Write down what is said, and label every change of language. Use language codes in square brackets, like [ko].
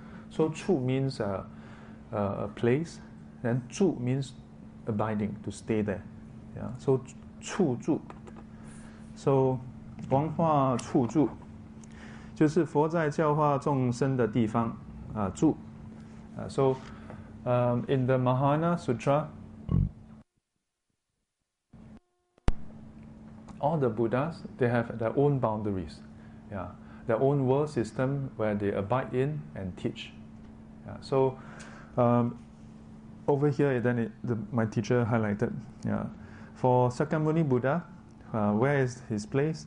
[en] So 处 means a place, then 住 means abiding, to stay there. Yeah. So 处住. [zh] So 王化处住, 就是佛在教化众生的地方, 住. [en] So in the Mahayana Sutra, all the Buddhas, they have their own boundaries. Yeah. Their own world system where they abide in and teach. Yeah, so over here, then my teacher highlighted, yeah, for Sakyamuni Buddha, where is his place?